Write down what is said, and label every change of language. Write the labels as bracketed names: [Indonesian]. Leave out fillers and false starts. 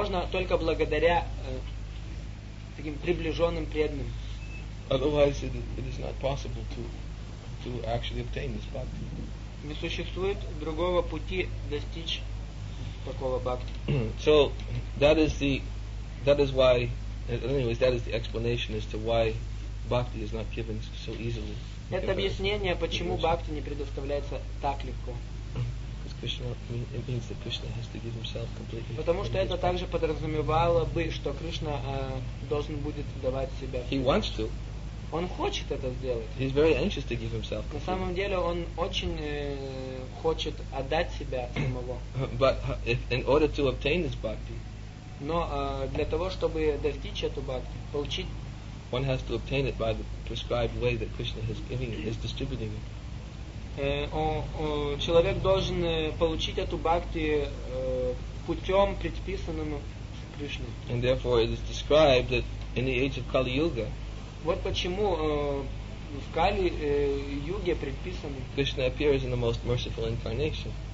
[Russian] Только благодаря таким приближенным преданным. [English] Otherwise, it is not possible to actually obtain this bhakti. [Russian] Не существует другого пути достичь такого бхакти. [English] So that is the explanation as to why bhakti is not given so easily. [Russian] Это объяснение, почему бхакти не предоставляется так легко. [English] It means that Krishna has to give himself completely. [Russian] Потому что это также подразумевало бы, что Кришна должен будет давать себя. [English] He wants to. [Russian] Он хочет это сделать. [English] He's very anxious to give himself. [Russian] На самом деле он очень хочет отдать себя самого. [English] But in order to obtain this bhakti. [Russian] Но для того, чтобы достичь эту бхакти, получить. [English] One has to obtain it by the prescribed way that Krishna is distributing it. [Russian] Человек должен получить эту бхакти путем предписанным Кришной. [English] And therefore it is described that in the age of Kali Yuga. [Russian] Вот почему в Кали Юге предписано. [English] Krishna appears in the most merciful incarnation.